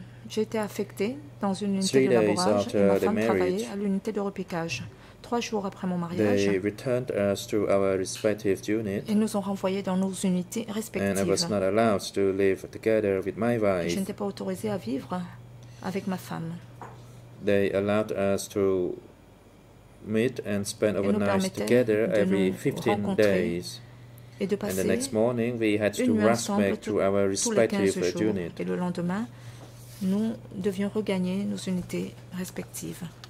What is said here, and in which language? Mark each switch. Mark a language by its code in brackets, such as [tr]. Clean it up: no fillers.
[fr] J'étais affectée dans une unité de labourage et ma femme travaillait à l'unité de repiquage. Trois jours après mon mariage, [en] they returned us to our respective unit, [fr] et nous ont renvoyés dans nos unités respectives. [en] And I was not allowed to live together with my wife. [fr] Je n'étais pas autorisée à vivre avec ma femme. [en] They allowed us to meet and spend overnight together every 15 days. [fr] Et de passer, [en] and the next morning, we had to rush back to our respective unit. [fr] Et le lendemain, nous devions regagner nos unités respectives.